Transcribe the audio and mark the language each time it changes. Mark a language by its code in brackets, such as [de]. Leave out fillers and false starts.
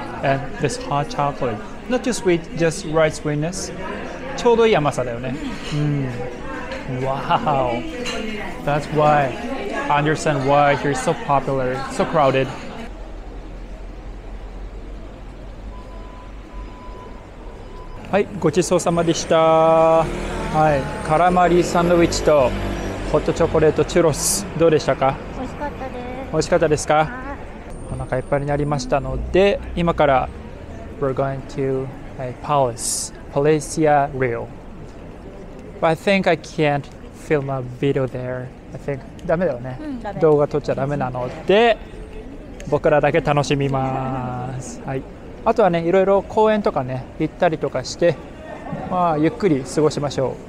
[en] And this hot chocolate, not too sweet, just right sweetness. [ja] ちょうどいい甘さだよね。 [en] Wow, that's why. I understand why you're so popular, so crowded. [ja] はい、ごちそうさまでした。はい、カラマリサンドイッチとホットチョコレートチュロス、どうでしたか？美味しかったです。美味しかったですか？お腹いっぱいになりましたので、今から [en] We're going to Palace, Palacia Real. But I think I can't film a video there. I think [ja] ダメだよね、うん、動画撮っちゃダメなので僕らだけ楽しみます、はい、あとはねいろいろ公園とかね行ったりとかして、まあ、ゆっくり過ごしましょう、